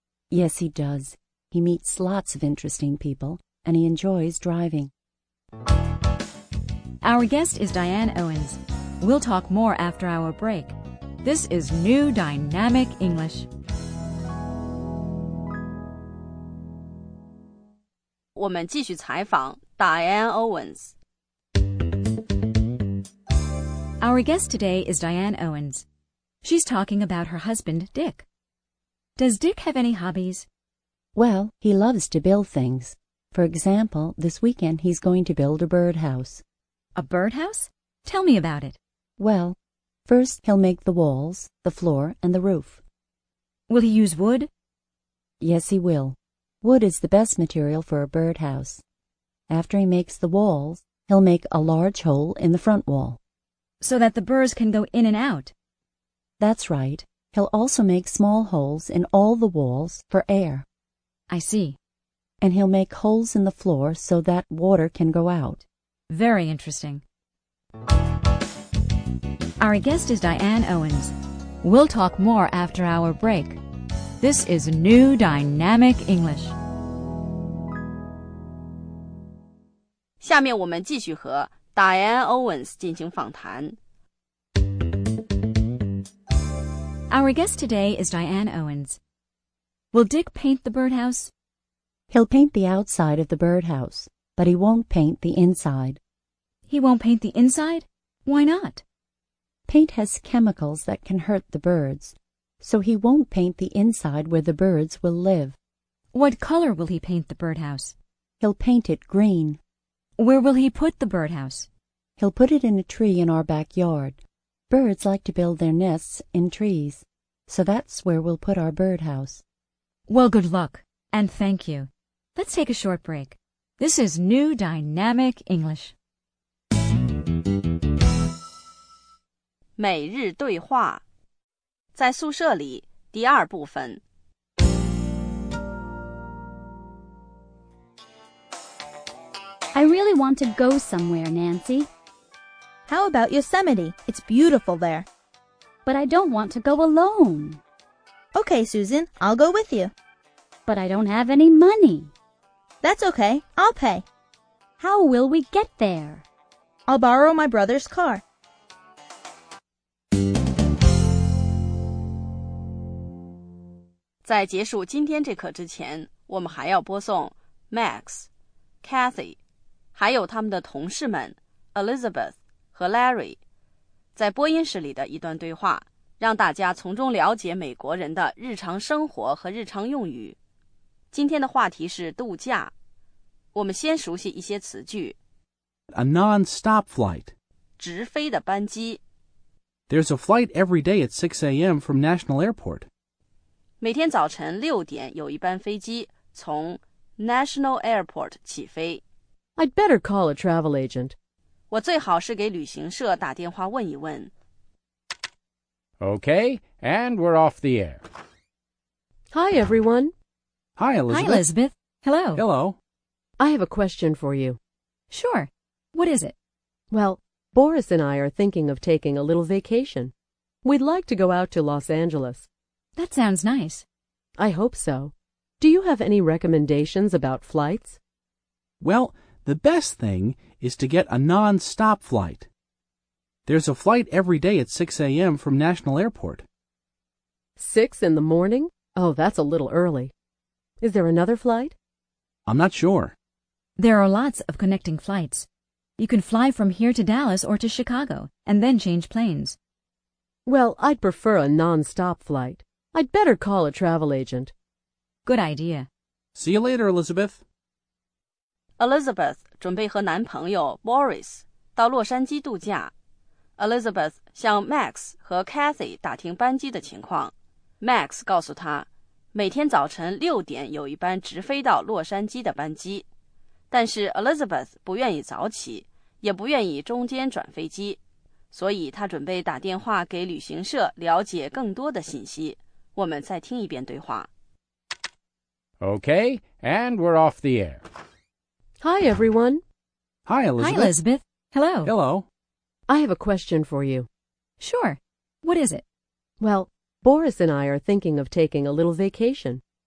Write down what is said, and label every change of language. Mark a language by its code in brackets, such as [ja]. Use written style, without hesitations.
[en] Yes, he does. He meets lots of interesting people, and he enjoys driving. Our guest is Diane Owens. We'll talk more after our break. This is New Dynamic English. [zh] 我们继续采访 Diane Owens. [en] Our guest today is Diane Owens. She's talking about her husband, Dick. Does Dick have any hobbies? Well, he loves to build things. For example, this weekend he's going to build a birdhouse. A birdhouse? Tell me about it. Well,First, he'll make the walls, the floor, and the roof. Will he use wood? Yes, he will. Wood is the best material for a birdhouse. After he makes the walls, he'll make a large hole in the front wall. So that the birds can go in and out? That's right. He'll also make small holes in all the walls for air. I see. And he'll make holes in the floor so that water can go out. Very interesting. Our guest is Diane Owens. We'll talk more after our break. This is New Dynamic English. [zh] 下面我们继续和 Diane Owens 进行访谈。 [en] Our guest today is Diane Owens. Will Dick paint the birdhouse? He'll paint the outside of the birdhouse, but he won't paint the inside. He won't paint the inside? Why not? Paint has chemicals that can hurt the birds, so he won't paint the inside where the birds will live. What color will he paint the birdhouse? He'll paint it green. Where will he put the birdhouse? He'll put it in a tree in our backyard. Birds like to build their nests in trees, so that's where we'll put our birdhouse. Well, good luck, and thank you. Let's take a short break. This is New Dynamic English. [zh] 每日对话，在宿舍里，第二部分。 [en] I really want to go somewhere, Nancy. How about Yosemite? It's beautiful there. But I don't want to go alone. Okay, Susan, I'll go with you. But I don't have any money. That's okay, I'll pay. How will we get there? I'll borrow my brother's car. [zh] 在结束今天这课之前，我们还要播送 Max, Kathy, 还有他们的同事们 Elizabeth 和 Larry 在播音室里的一段对话，让大家从中了解美国人的日常生活和日常用语。今天的话题是度假，我们先熟悉一些词句。 [en] A non-stop flight. [zh] 直飞的班机。 [en] There's a flight every day at 6 a.m. from National Airport. [zh] 每天早晨六点有一班飞机从 National Airport 起飞。 [en] I'd better call a travel agent. [zh] 我最好是给旅行社打电话问一问。 [en] Okay, and we're off the air. Hi, everyone. Hi, Elizabeth. Hi, Elizabeth. Hello. Hello. I have a question for you. Sure. What is it? Well, Boris and I are thinking of taking a little vacation. We'd like to go out to Los Angeles. That sounds nice. I hope so. Do you have any recommendations about flights? Well, the best thing is to get a non-stop flight. There's a flight every day at 6 a.m. from National Airport. 6 in the morning? Oh, that's a little early. Is there another flight? I'm not sure. There are lots of connecting flights. You can fly from here to Dallas or to Chicago, and then change planes. Well, I'd prefer a non-stop flight. I'd better call a travel agent. Good idea. See you later, Elizabeth. [zh] Elizabeth 准备和男朋友 Boris 到洛杉矶度假。 Elizabeth 向 Max 和 Kathy 打听班机的情况。 Max 告诉他，每天早晨六点有一班直飞到洛杉矶的班机。但是 Elizabeth 不愿意早起，也不愿意中间转飞机，所以他准备打电话给旅行社了解更多的信息。我们再听一遍对话。 [en] Okay, and we're off the air. Hi, everyone. Hi, Elizabeth. Hi, Elizabeth. Hello. Hello. I have a question for you. Sure. What is it? Well, Boris and I are thinking of taking a little vacation.